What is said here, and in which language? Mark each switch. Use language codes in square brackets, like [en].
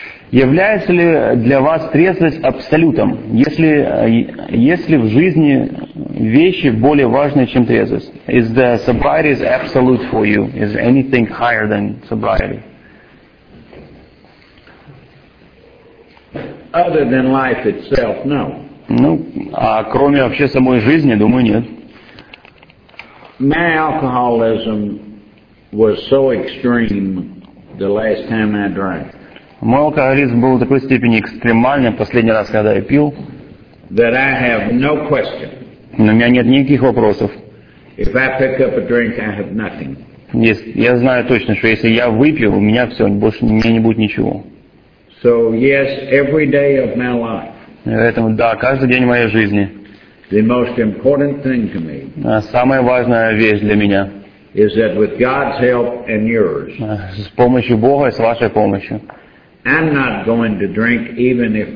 [ru] Является ли для вас трезвость абсолютом, если в жизни вещи более важны, чем трезвость? [en] Is the sobriety absolute for you? Is anything higher than sobriety? Other than life itself, no. [ru] Ну, а кроме вообще самой жизни, думаю, нет. [en] My alcoholism was so extreme the last time I drank. [ru] Мой алкоголизм был в такой степени экстремальным последний раз, когда я пил. [en] That I have no question. [ru] У меня нет никаких вопросов. [en] If I pick up a drink, I have nothing. [ru] Я знаю точно, что если я выпью, у меня все, больше у меня не будет ничего. [en] So yes, every day of my life. [ru] Поэтому да, каждый день моей жизни. [en] The most important thing to me. [ru] Самая важная вещь для меня. [en] Is that with God's help and yours? [ru] С помощью Бога и с вашей помощью. [en] I'm not going to drink even if my ass falls off.